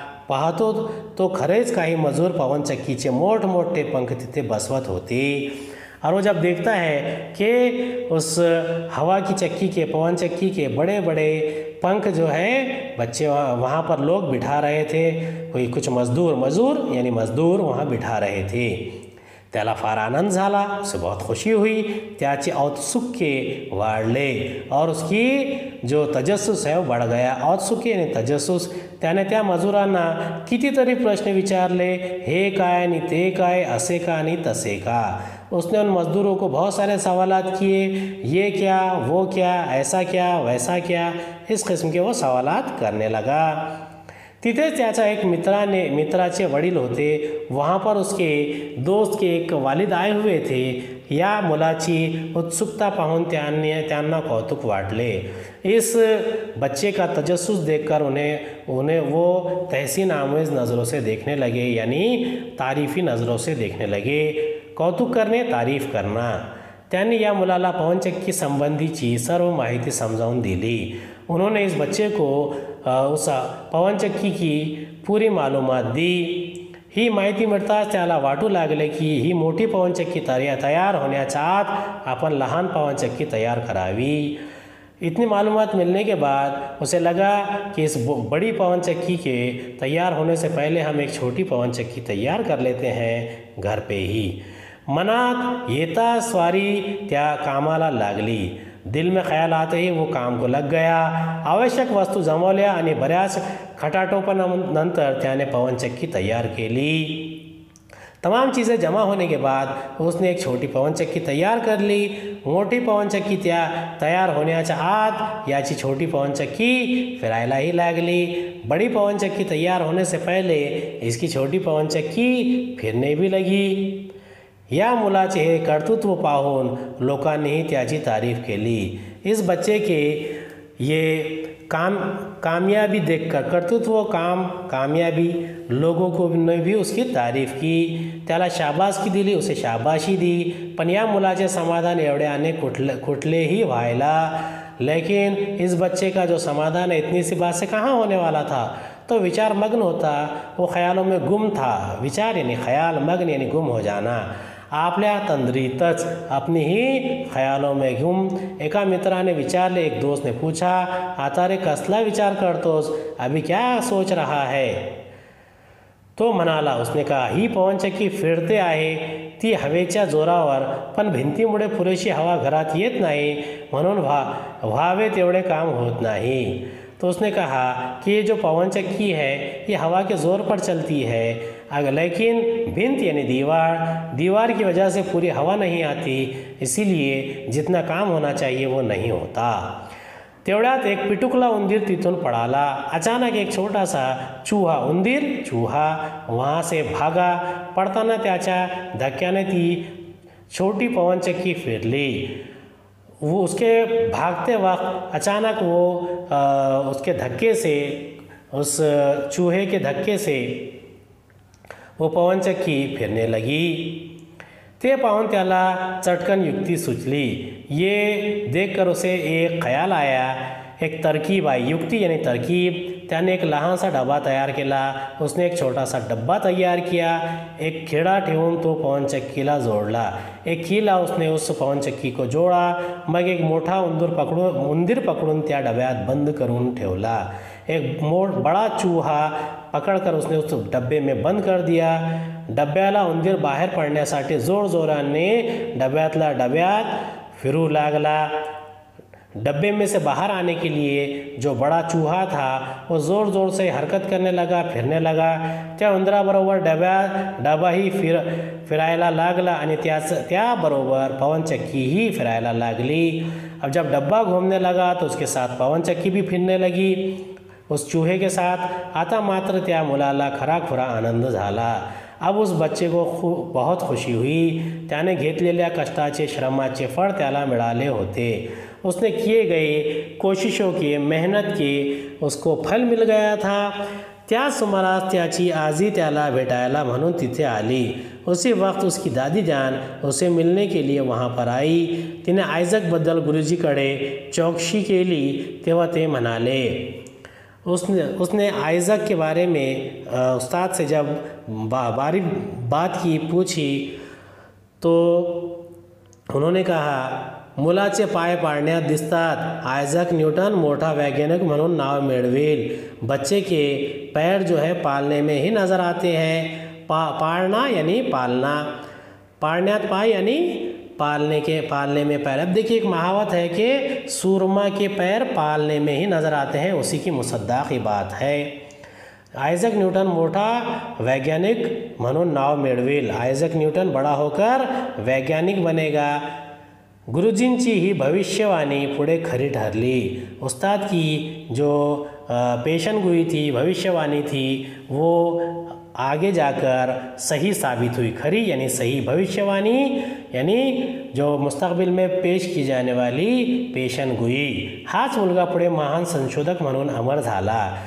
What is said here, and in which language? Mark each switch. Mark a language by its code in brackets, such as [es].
[mr] पाहतो तो खरेच काही मजूर पवन चक्कीचे मोठ मोठे पंख तिथे बसवत होते, [hi] और वो जब देखता है कि उस हवा की चक्की के, पवन चक्की के बड़े बड़े पंख जो है, बच्चे वहाँ पर लोग बिठा रहे थे, कोई कुछ मजदूर वहाँ बिठा रहे थे, [mr] त्याला फार आनंद झाला, [hi] उसे बहुत खुशी हुई, [mr] त्याचे औत्सुक्य वाढले [hi] और उसकी जो तजस्सुस है वो बढ़ गया। [mr] औत्सुक्य आणि तजस्सुस, त्याने त्या मजुरांना कितीतरी प्रश्न विचारले, हे काय आणि ते काय, असे का आणि तसे का। [hi] उसने उन मजदूरों को बहुत सारे सवालात किए, ये क्या, वो क्या, ऐसा क्या, वैसा क्या, इस किस्म के वो सवालात करने लगा। [mr] तिथे त्याचा एक मित्राचे वडील होते, [hi] वहाँ पर उसके दोस्त के एक वालिद आए हुए थे। [mr] या मुलाची उत्सुकता पाहून त्यांना कौतुक वाटले। [hi] इस बच्चे का तजस्सुस देखकर उन्हें वो तहसीन आमेज नज़रों से देखने लगे, यानी तारीफी नज़रों से देखने लगे, कौतुक करने, तारीफ करना। [mr] त्यांनी या मुलाला पवनचक्की संबंधीची सर्व माहिती समजावून दिली। [hi] उन्होंने इस बच्चे को उस पवनचक्की की पूरी मालूमात दी। [mr] ही माहिती मिळताच त्याला वाटू लागले की ही मोठी पवनचक्की तयार होण्याच्या आत आपण लहान पवनचक्की तयार करावी। [hi] इतनी मालूमात मिलने के बाद उसे लगा कि इस बड़ी पवनचक्की के तैयार होने से पहले हम एक छोटी पवनचक्की तैयार कर लेते हैं घर पे ही। [mr] मनात येता स्वारी त्या कामाला लागली, [hi] दिल में ख्याल आते ही वो काम को लग गया। [mr] आवश्यक वस्तु जमवल्या आणि बऱ्याच खटाटोपण नंतर त्याने पवनचक्की तैयार केली। [hi] तमाम चीज़ें जमा होने के बाद उसने एक छोटी पवनचक्की तैयार कर ली। [mr] मोटी पवनचक्की त्या तैयार होण्याच्या आत याची छोटी पवनचक्की फिरायला ही लागली। [hi] बड़ी पवनचक्की तैयार होने से पहले इसकी छोटी पवनचक्की फिरने भी लगी। [mr] या मुलाचे हे कर्तृत्व पाहून लोकांनीही त्याची तारीफ केली। [hi] इस बच्चे के ये कामयाबी देखकर कर्तृत्व कामयाबी लोगों को ने भी उसकी तारीफ की, [mr] त्याला शाबासकी दिली, [hi] उसे शाबाशी दी। [mr] पण या मुलाचे समाधान एवढ्याने कुठले ही व्हायला, [hi] लेकिन इस बच्चे का जो समाधान है इतनी सी बात से कहाँ होने वाला था। [mr] तो विचार मग्न होता, [hi] वो ख्यालों में गुम था। विचार यानी ख्याल, मग्न यानी गुम हो जाना। [mr] आपल्या तंद्रीतच, [hi] अपनी ही ख्यालों में गुम। [mr] एका मित्राने विचारले, [hi] एक दोस्त ने पूछा, [mr] आता रे कसला विचार करतोस, [hi] अभी क्या सोच रहा है? [mr] तो म्हणाला, [hi] उसने कहा, [mr] ही पवनचक्की फिरते आहे ती हवेच्या जोरावर, पण भिंतीमुळे पुरेशी हवा घरात येत नाही, म्हणून व्हावे तेवढे काम होत नाही। [hi] तो उसने कहा कि ये जो पवनचक्की है ये हवा के जोर पर चलती है, अगर लेकिन भिंत यानी दीवार की वजह से पूरी हवा नहीं आती, इसीलिए जितना काम होना चाहिए वो नहीं होता। [mr] तेवढ्यात एक पिटुकला उंदीर तिथून पळाला। [hi] अचानक एक छोटा सा चूहा, उंदीर चूहा, वहाँ से भागा। [mr] पडताना त्याच्या धक्क्याने ती छोटी पवनचक्की फिरली। [hi] वो उसके भागते वक्त अचानक वो उसके धक्के से, उस चूहे के धक्के से वो पवनचक्की फिरने लगी। [mr] ते पाहून त्याला चटकन युक्ति सुचली। [hi] ये देखकर उसे एक ख्याल आया, एक तरकीब आई, युक्ति यानी तरकीब। [mr] त्याने एक लहान सा डब्बा तैयार केला। [hi] उसने एक छोटा सा डब्बा तैयार किया, [mr] एक खेड़ा ठेवून तो पवनचक्कीला जोड़ला। [hi] एक किला उसने उस पवनचक्की को जोड़ा, [mr] मग एक मोठा उंदीर पकडून त्या डब्यात बंद करून ठेवला। [hi] एक बड़ा चूहा पकड़कर उसने उस डब्बे में बंद कर दिया। [mr] डब्याला उंदीर बाहेर पडण्यासाठी जोर जोराने डब्यातला डब्यात फिरू लागला। [hi] डब्बे में से बाहर आने के लिए जो बड़ा चूहा था वो जोर जोर से हरकत करने लगा, फिरने लगा। [mr] त्या उंदराबरोबर डब्बा ही फिरायला लागला, आणि त्या बरोबर पवनचक्की ही फिरायला लागली। [hi] अब जब डब्बा घूमने लगा तो उसके साथ पवनचक्की भी फिरने लगी उस चूहे के साथ। आता मात्र त्या मुलाला खरा खुरा आनंद झाला। अब उस बच्चे को बहुत खुशी हुई, [mr] त्याने घेतलेल्या कष्टाचे श्रमाचे फळ त्याला मिळाले होते। [hi] उसने किए गए कोशिशों के, मेहनत के उसको फल मिल गया था। [mr] त्या सुमारास त्याची आजी त्याला भेटायला म्हणून तिथे आली। [hi] उसी वक्त उसकी दादी जान उसे मिलने के लिए वहाँ पर आई। [mr] तिने आयजक बद्दल गुरुजीकडे चौकशी केली तेव्हा ते म्हणाले, [hi] उसने आयजक के बारे में उस्ताद से जब बारी बात की, पूछी, तो उन्होंने कहा, [mr] मुलाचे पाय पाडण्यात दिसतात, आयजक न्यूटन मोठा वैज्ञानिक म्हणून नाव मिळवेल। [hi] बच्चे के पैर जो है पालने में ही नजर आते हैं। पाळणा यानी पालना, पाडण्यात पाय यानी पालने में पैर। अब देखिए एक महावत है कि सूरमा के पैर पालने में ही नज़र आते हैं, उसी की मुसद्दाक ही बात है। आयजक न्यूटन मोटा वैज्ञानिक म्हणून नाव मिळवेल, आयजक न्यूटन बड़ा होकर वैज्ञानिक बनेगा। [mr] गुरुजींची ही भविष्यवाणी पुढे खरी ठरली। [hi] उस्ताद की जो पेशनगोई थी, भविष्यवाणी थी, वो आगे जाकर सही साबित हुई। खरी यानी सही, भविष्यवाणी यानी जो मुस्तकबिल में पेश की जाने वाली पेशनगोई। [mr] हाच मुलगा पुढे महान संशोधक म्हणून अमर झाला।